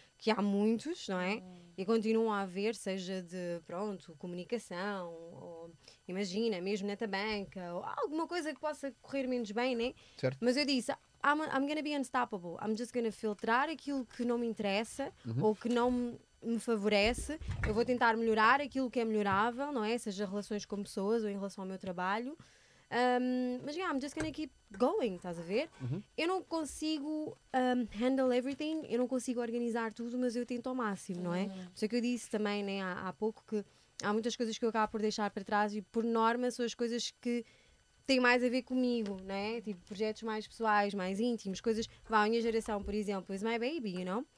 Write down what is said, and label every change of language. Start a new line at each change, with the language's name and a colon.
Portuguese: Que há muitos, não é? E continuam a haver, seja de, pronto, comunicação, ou imagina, mesmo na Tabanka, ou alguma coisa que possa correr menos bem, né? Certo. Mas eu disse,
English: I'm gonna be unstoppable. I'm just gonna
Portuguese: filtrar aquilo que não me interessa, ou que não, me favorece, eu vou tentar melhorar aquilo que é melhorável, não é? Seja relações com pessoas ou em relação ao meu trabalho.
English: Mas, yeah, I'm just gonna keep going,
Portuguese: estás a ver? Uhum. Eu não consigo
English: handle everything,
Portuguese: eu não consigo organizar tudo, mas eu tento ao máximo, não é? Uhum. Só que eu disse também, né, há pouco, que há muitas coisas que eu acabo por deixar para trás e, por norma, são as coisas que têm mais a ver comigo, não é? Tipo, projetos mais pessoais, mais íntimos, coisas... Vá, a minha geração, por exemplo,
English: is my baby, you know?